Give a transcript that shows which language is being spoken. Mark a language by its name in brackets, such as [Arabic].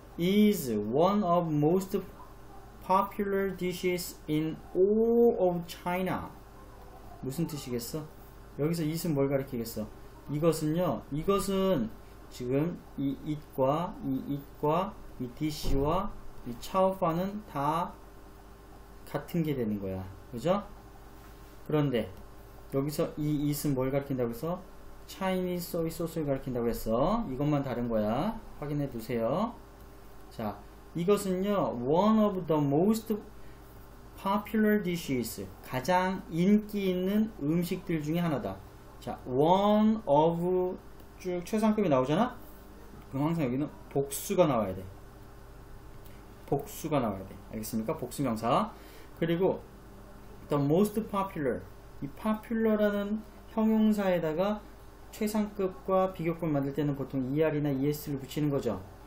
[English] is one of most popular dishes in all of China. [Korean] 무슨 뜻이겠어? 여기서 이것은 뭘 가리키겠어? 이것은요. 이것은 지금 이 잇과 이 잇과 이 디쉬와 이 차오파는 다 같은 게 되는 거야. 그죠? 그런데 여기서 이 잇은 뭘 가리킨다고 했어? Chinese soy sauce를 가리킨다고 했어. 이것만 다른 거야. 확인해 두세요. 자, 이것은요, [English] one of the most popular dishes. [Korean] 가장 인기 있는 음식들 중에 하나다. 자, [English] one of [Korean] 쭉 최상급이 나오잖아? 그럼 항상 여기는 복수가 나와야 돼. 복수가 나와야 돼. 알겠습니까? 복수 명사. 그리고 [English] the most popular. [Korean] 이 popular라는 형용사에다가 최상급과 비교급 만들 때는 보통 er이나 es를 붙이는 거죠.